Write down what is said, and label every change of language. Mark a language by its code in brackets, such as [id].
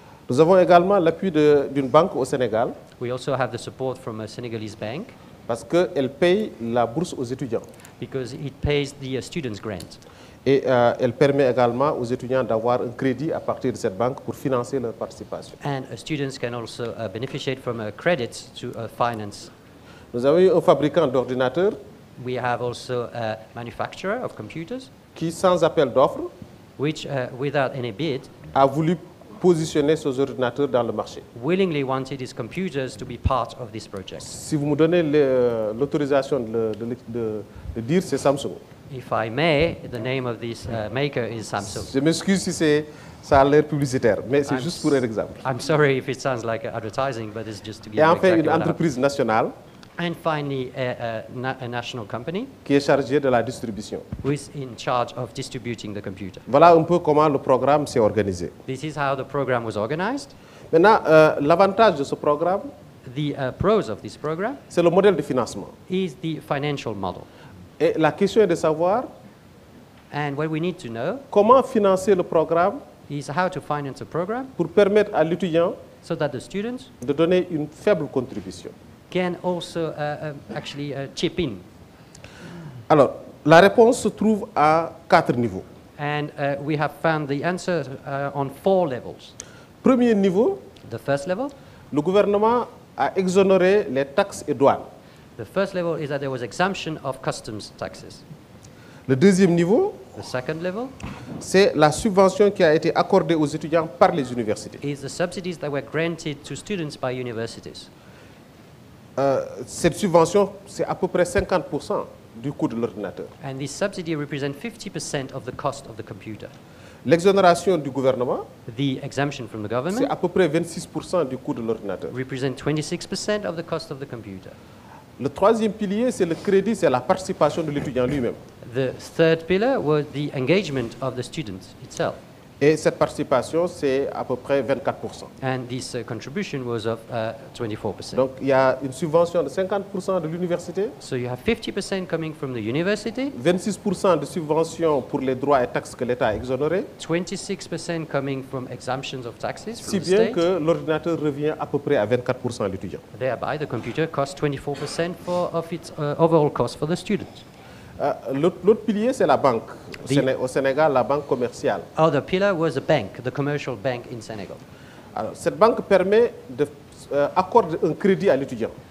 [fr] Nous avons également l'appui d'une banque au Sénégal. [en] We also have the support from a Senegalese bank. [fr] Parce qu'elle paye la bourse aux étudiants. [en] Because it pays the student's grant. [fr] Et elle permet également aux étudiants d'avoir un crédit à partir de cette banque pour financer leur participation. [en] And students can also benefit from a credit to finance. [fr] Nous avons eu un fabricant d'ordinateurs. [en] We have also a manufacturer of computers. [fr] Qui sans appel d'offres. [en] Which without any bid. [fr] A voulu positionner ses ordinateurs dans le marché. [en] Willingly wanted his computers to be part of this project. [fr] Si vous me donnez l'autorisation de dire, c'est Samsung. [en] If I may, the name of this maker is Samsung. [fr] Je m'excuse si ça a l'air publicitaire, mais c'est juste pour un exemple. [en] I'm sorry if it sounds like advertising, but it's just to give [fr] Et [en] an [fr] enfin, [en] example. [fr] Et enfin, une entreprise nationale. [en] And finally, a national company. [fr] Qui est chargée de la distribution. [en] Who is in charge of distributing the computer. [fr] Voilà un peu comment le programme s'est organisé. [en] This is how the program was organized. [fr] Maintenant, l'avantage de ce programme. [en] The pros of this program. [fr] C'est le modèle de financement. [en] Is the financial model. [fr] Et la question est de savoir [en] and what we need to know [fr] comment financer le programme [en] is how to finance a program [fr] pour permettre à l'étudiant [en] so that the students [fr] de donner une faible contribution. [en] Can also actually chip in. [fr] Alors, la réponse se trouve à quatre niveaux. [en] And we have found the answer on four levels. [fr] Premier niveau, [en] the first level, [fr] le gouvernement a exonéré les taxes et douanes. [en] The first level is that there was exemption of customs taxes. [fr] Le deuxième niveau, [en] the second level, [fr] c'est la subvention qui a été accordée aux étudiants par les universités. [en] Is the subsidies that were granted to students by universities. [fr] Cette subvention, c'est à peu près 50% du coût de l'ordinateur. [en] And this subsidy represents 50% of the cost of the computer. [fr] L'exonération du gouvernement, [en] the exemption from the government, [fr] c'est à peu près 26% du coût de l'ordinateur. [en] Represents 26% of the cost of the computer. [fr] Le troisième pilier, c'est le crédit, c'est la participation de l'étudiant lui-même. [en] The third pillar was the engagement of the student itself. [fr] Et cette participation, c'est à peu près 24%. [en] And this contribution was of 24%. [fr] Donc, il y a une subvention de 50% de l'université. [en] So you have 50% coming from the university. [fr] 26% de subvention pour les droits et taxes que l'État a exonéré. [en] 26% coming from exemptions of taxes from [fr] si [en] the state. [fr] Si bien que l'ordinateur revient à peu près à 24% à l'étudiant. [en] Thereby, the computer costs 24% of its overall cost for the student. [fr] L'autre pilier, c'est la banque. Au Sénégal, la banque commerciale. [en] Oh, the pillar was a bank, the commercial bank in Senegal. [fr] Alors, cette banque permet de accorder un crédit à l'étudiant.